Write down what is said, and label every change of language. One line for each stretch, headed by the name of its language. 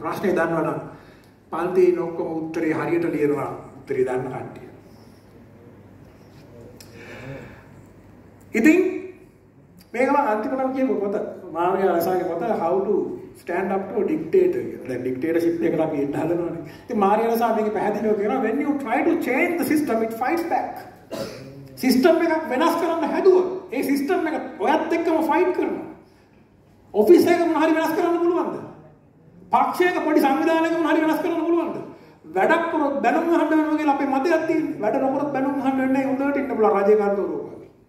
Sinhala: ප්‍රශ්නේ දන්නවනම් පන්තියේ ඉන්න ඔක්කොම උත්තරේ හරියට ලියනවා. උත්තරේ දන්න කට්ටිය. ඉතින් මේක මම අන්තිමනම් කියපු පොත මාර්යා රසාගේ පොත How to Stand Up to Dictator කියලා. දැන් ඩික්ටේටර්ෂිප් එකට අපි එන්න හදනවානේ. ඉතින් මාර්යා රසා මේක පැහැදිලිව කියනවා
English: When you try to change the system, it fights back.
Sinhala: System එක වෙනස් කරන්න හැදුවොත් ඒ සිස්ටම් එක ඔයත් එක්කම ෆයිට් කරනවා. ඔෆිස් එක මොන හරි වෙනස් කරන්න පුළුවන්ද? පක්ෂයක පොඩි සංවිධානයක මොන හරි වෙනස් කරන්න පුළුවන්ද? වැඩක් කරොත් බැනුම් අහන්න වෙනවා කියලා අපේ මතයක් තියෙනවා. වැඩ නොකරොත් බැනුම් අහන්න වෙන්නේ නැහැ. උදේට ඉන්න පුළුවන් රජයේ කාන්තාවෝ වගේ.